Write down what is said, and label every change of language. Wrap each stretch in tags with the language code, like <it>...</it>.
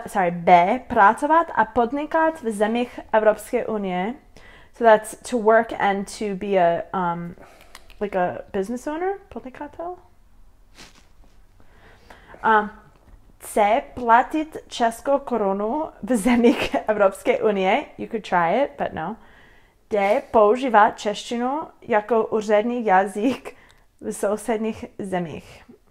<cs>B. Pracovat a podnikat v zemích Evropské unie.</cs> <en>So that's to work and to be a, like a business owner, podnikatel. C.</en> <cs>Platit českou korunu v zemích Evropské unie.</cs> <en>You could try it, but no.</en> <cs>D. Používat češtinu jako úřední jazyk v sousedních zemích.</cs>